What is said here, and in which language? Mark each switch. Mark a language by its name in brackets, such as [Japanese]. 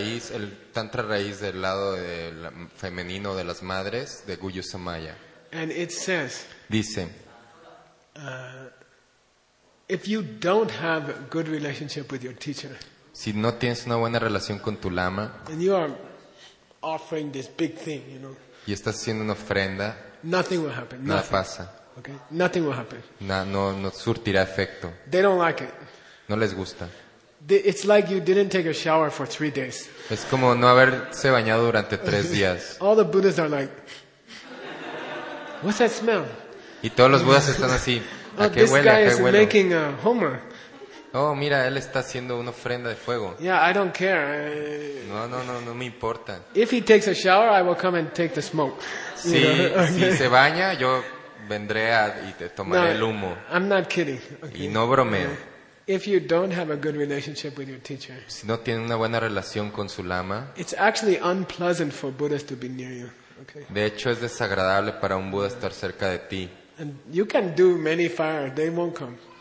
[Spanish] El tantra raíz del lado del femenino de las madres de Guhya Samaja. [English] And it says. [Spanish] Dice. [English] If you don't have a good relationship with your teacher. [Spanish] Si no tienes una buena relación con tu lama. [English] And you are offering this big thing, you know. [Spanish] Y estás haciendo una ofrenda. [English] Nothing will happen. [Spanish] Nada [English] nothing. [Spanish] Pasa. [English] Okay. Nothing will happen. [Spanish] No surtirá efecto. [English] They don't like it. [Spanish] No les gusta. [English] It's like you didn't take a shower for 3 days. [Spanish] Es como no haberse bañado durante 3 días. [English] All the Buddhas are like, what's that smell? [Spanish] Y todos los Budas están así, ¿a qué huele? [English] This guy is making a homa. [Spanish] Oh, mira, él está haciendo una ofrenda de fuego. [English] Yeah, I don't care. [Spanish] No me importa. [English] If he takes a shower, I will come and take the smoke. [Spanish] Sí, okay. Si se baña, yo vendré y te tomaré el humo. [English] I'm not kidding. Okay. [Spanish] Y no bromeo. [English] If you don't have a good relationship with your teacher, [Spanish] si no tiene una buena relación con su lama, [English] it's actually unpleasant for Buddhas to be near you. Okay. [Spanish] De hecho, es desagradable para un Buda estar cerca de ti. [English] And you can do many fires, they won't come.